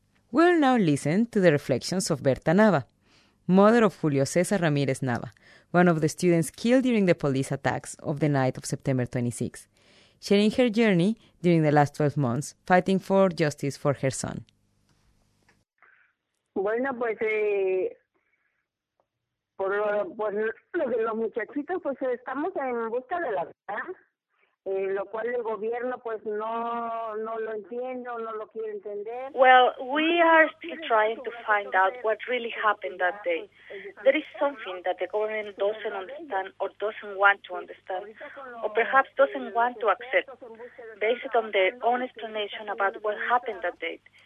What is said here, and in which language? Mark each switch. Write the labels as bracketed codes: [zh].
[en] We'll now listen to the reflections of Berta Nava, mother of Julio César Ramírez Nava, one of the students killed during the police attacks of the night of September 26, sharing her journey during the last 12 months fighting for justice for her son. [es] Bueno, pues, por lo de los muchachitos, pues estamos en busca de la verdad. Lo cual el gobierno pues no lo entiende o no lo quiere entender. [en] Well, we are still trying to find out what really happened that day. There is something that the government doesn't understand or doesn't want to understand, or perhaps doesn't want to accept, based on their own explanation about what happened that day.